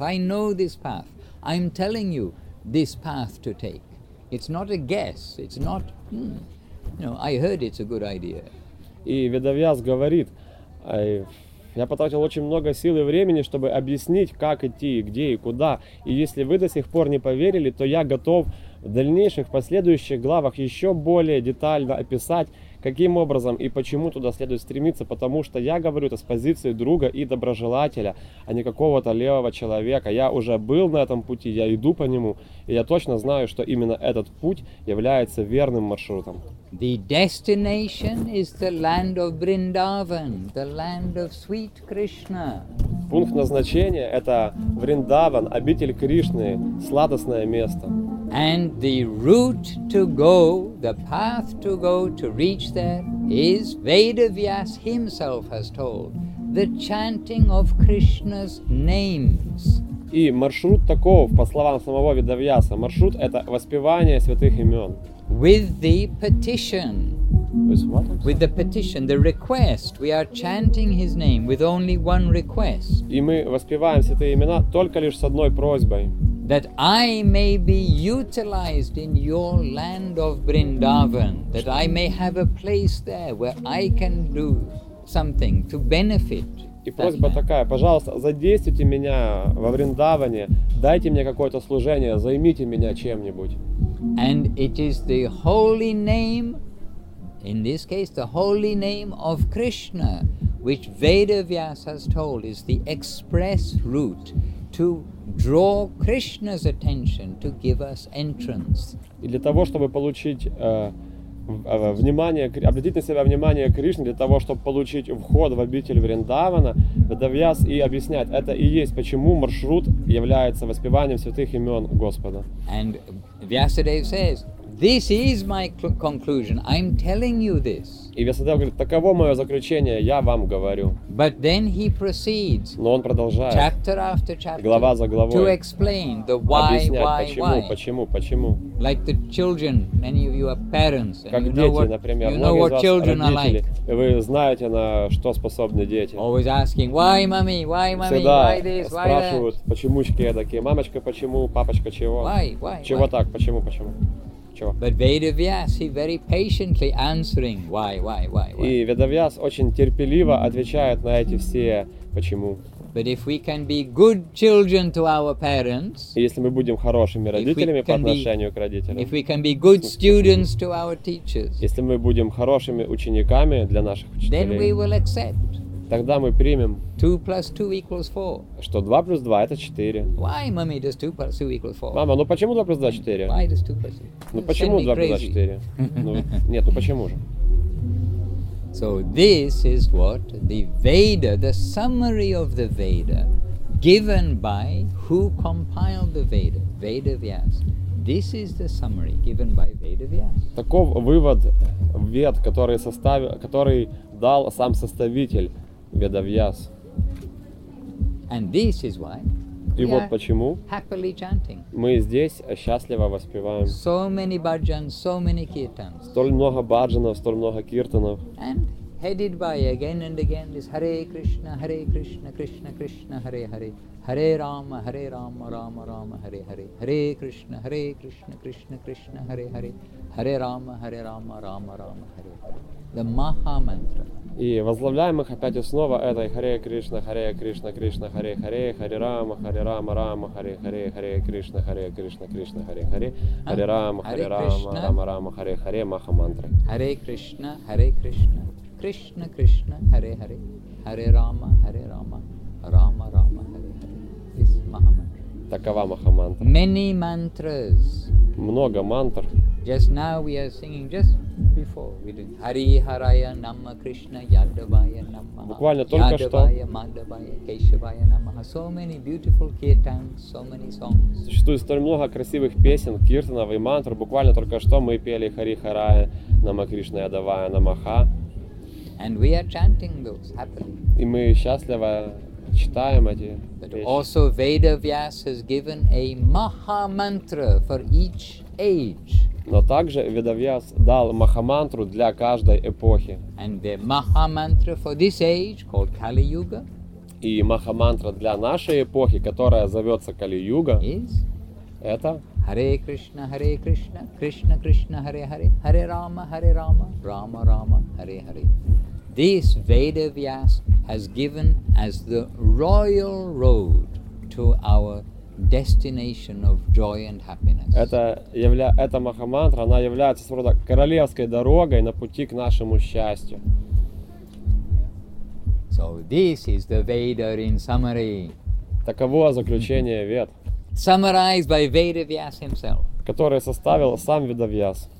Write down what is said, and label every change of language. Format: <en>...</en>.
<en>I know this path. I'm telling you this path to take. It's not a guess. It's not, I heard it's a good idea.</en> <ru>И Ведовьяс говорит, я потратил очень много сил и времени, чтобы объяснить, как идти, где и куда. И если вы до сих пор не поверили, то я готов в дальнейших, последующих главах еще более детально описать, каким образом и почему туда следует стремиться, потому что я говорю это с позиции друга и доброжелателя, а не какого-то левого человека. Я уже был на этом пути, я иду по нему, и я точно знаю, что именно этот путь является верным маршрутом.</ru> <en>The destination is the land of Vrindavan, the land of sweet Krishna.</en> <ru>Пункт назначения – это Вриндаван, обитель Кришны, сладостное место.</ru> <en>And the route to go, the path to go to reach there is, Vedavyas himself has told, the chanting of Krishna's names.</en> <ru>И маршрут таков, по словам самого Ведавьяса, маршрут – это воспевание святых имен.</ru> <en>With the petition. With the petition, the request, we are chanting his name with only one request.</en> <ru>И мы воспеваем святые имена только лишь с одной просьбой.</ru> <en>That I may be utilized in your land of Vrindavan, that I may have a place there where I can do something to benefit.</en> <ru>И просьба такая: пожалуйста, задействуйте меня во Вриндаване, дайте мне какое-то служение, займите меня чем-нибудь.</ru> <en>And it is the holy name, in this case, the holy name of Krishna, which Vedavyas has told is the express route to draw Krishna's attention, to give us entrance.</en> <ru>И для того, чтобы получить внимание, обратить на себя внимание Кришны, для того, чтобы получить вход в обитель Вриндавана, Ведавьяс и объясняет, это и есть, почему маршрут является воспеванием святых имен Господа.</ru> <en>And Vyasadeva says, this is my conclusion, I'm telling you this.</en> <ru>И Вьясадев говорит, таково мое заключение, я вам говорю.</ru> <en>But then he proceeds,</en> <ru>но он продолжает,</ru> <en>chapter after chapter,</en> <ru>глава за главой,</ru> <en>to explain the why,</en> <ru>объяснять,</ru> <en>why,</en> <ru>почему,</ru> <en>why.</en> <ru>Почему, почему.</ru> <en>Like the children, many of you are parents,</en> <ru>как</ru> <en>you</en> <ru>дети,</ru> <en>know what,</en> <ru>например,</ru> <en>you know what children</en> <ru>родители,</ru> <en>are like.</en> <ru>И вы знаете, на что способны дети.</ru> <en>Always asking, why, mommy, why, mommy,</en> <ru>всегда</ru> <en>why this, why that.</en> <ru>Спрашивают, почемучки такие, мамочка, почему, папочка, чего.</ru> <en>Why,</en> <ru>чего</ru> <en>why?</en> <ru>Так, почему, почему.</ru> <en>But Vedavyas, he very patiently answering why.</en> <ru>И Ведавьяс очень терпеливо отвечает на эти все почему.</ru> <en>But if we can be good children to our parents,</en> <ru>если мы будем хорошими родителями по отношению к родителям,</ru> <en>if we can be good students to our teachers,</en> <ru>если мы будем хорошими учениками для наших учителей,</ru> <en>then we will accept.</en> <ru>Тогда мы примем,</ru> <en>2 plus 2 equals 4.</en> <ru>Что 2 плюс 2 это 4.</ru> <en>Why, mommy, does 2 plus 2 equals 4?</en> <ru>Мама, ну почему 2 плюс 2 4?</ru> <en>Why does 2 plus</en> <ru>2? Ну почему 2 плюс 2 4? Ну, нет, ну почему же?</ru> <en>So this is what the Veda, the summary of the Veda, given by who compiled the Veda, Vedavyas. This is the summary given by Vedavyas.</en> <ru>Таков вывод Вед, который дал сам составитель Ведавьяс.</ru> <en>And this is why.</en> <ru>И вот почему.</ru> <en>Happily chanting.</en> <ru>Мы здесь счастливо воспеваем.</ru> <en>So many bhajans, so many kirtans.</en> <ru>Столь много баджанов, столь много киртанов.</ru> <en>And headed by again and again this Hare Krishna, Krishna Krishna, Hare Hare, Hare Rama, Hare Rama, Rama Rama, Hare Hare, Hare Krishna, Krishna Krishna, Hare Hare, Hare Rama, Rama Rama, Hare Hare, the Maha Mantra.</en> <ru>И возглавляем их опять основа этой Харе Кришна, Кришна, Харе Харе, Харе Рама, Рама, Харе Харе, Харе Кришна, Харе Кришна, Кришна, Харе Харе, Харе Рама, Харе Рама, Рама Рама, Харе Харе, Маха Мантра.</ru> <sa>Харе Кришна, Кришна, Кришна, Харе Харе, Харе Рама, Рама Рама, Харе Харе.</sa> <en>Is Маха Мантра.</en> <ru>Такова Маха Мантра.</ru> <en>Many mantras.</en> <ru>Много мантр.</ru> <en>Just now we are singing just before we did</en> <sa>Hari Haraya Namma Krishna Yadavaya Namma.</sa> <ru>Буквально только что.</ru> <sa>Yadavaya Keshavaya Namaha.</sa> <en>So many beautiful kirtans, so many songs.</en> <ru>Существует столь много красивых песен, киртанов и мантр. Буквально только что мы пели</ru> <sa>Hari Haraya Namma Krishna Yadavaya Namaha.</sa> <en>And we are chanting those happily.</en> <ru>И мы счастливо читаем эти песни.</ru> <en>But also Veda Vyas has given a Maha Mantra for each age.</en> <ru>Но также Ведавьяс дал Махамантру для каждой эпохи.</ru> <en>And the Mahamantra for this age called Kali Yuga.</en> <ru>И Махамантра для нашей эпохи, которая зовется Кали Юга,</ru> <en>is</en> <ru>это</ru> <sa>Харе Кришна, Кришна Кришна, Харе Харе, Харе Рама, Харе Рама, Рама Рама, Харе Харе.</sa> <en>This Ведавьяс has given as the royal road to our destination of joy and happiness.</en> <ru>Эта Махамантра, она является своего рода королевской дорогой на пути к нашему счастью.</ru> <en>So this is the Veda in summary.</en> <ru>Таково заключение Вед.</ru> <en>Summarized by Vedavyasa himself.</en> <ru>Который составил сам Ведавьяс.</ru>